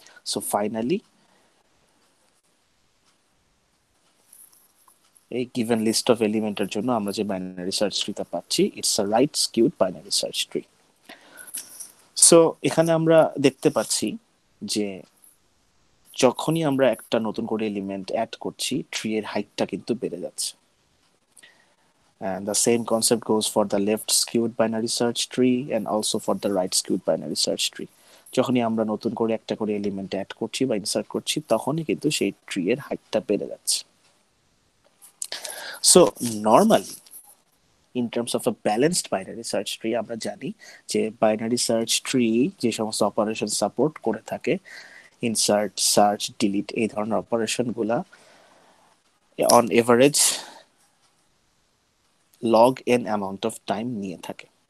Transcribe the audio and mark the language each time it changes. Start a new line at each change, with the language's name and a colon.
Bangla: So finally এই given list of এলিমেন্টের জন্য আমরা যে বাইনারি সার্চ ট্রিটা পাচ্ছি
English: It's a right skewed binary search tree.
Bangla: So এখানে আমরা দেখতে পাচ্ছি যে যখনই আমরা একটা নতুন করে এলিমেন্ট অ্যাড করছি ট্রি এর হাইটটা কিন্তু বেড়ে যাচ্ছে।
English: And the same concept goes for the left skewed binary search tree and also for the right skewed binary search tree.
Bangla: যখনই আমরা নতুন করে একটা করে এলিমেন্ট অ্যাড করছি বা ইনসার্ট করছি তখনই কিন্তু সেই ট্রি এর হাইটটা বেড়ে যাচ্ছে।
English: so normally in terms of a balanced binary search tree
Bangla: আমরা জানি যে বাইনারি সার্চ ট্রি যে সমস্ত অপারেশন সাপোর্ট করে থাকে ইনসার্ট সার্চ ডিলিট এই ধরনের অপারেশনগুলো
English: on average log n amount of time
Bangla: নিয়ে থাকে।